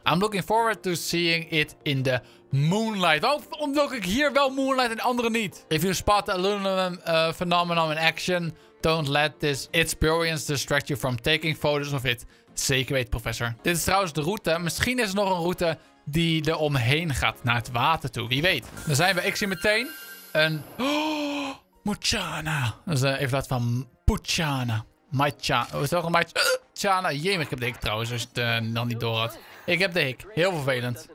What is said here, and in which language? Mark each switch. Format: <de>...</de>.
<en>I'm looking forward to seeing it in the moonlight.</en> <nl>Waarom wil ik hier wel moonlight en anderen niet?</nl> <en>If you spot the aluminum phenomenon in action, don't let this experience distract you from taking photos of it.</en> <nl>Zeker weet, professor. Dit is trouwens de route. Misschien is er nog een route die er omheen gaat naar het water toe. Wie weet. Dan zijn we. Ik zie meteen een... Oh, Muchana. Dat is even laat van Puchana. Maichana. Is het ook een Maichana? Jemig, ik heb de hik trouwens, als je het dan niet door had. Ik heb de hik. Heel vervelend.</nl>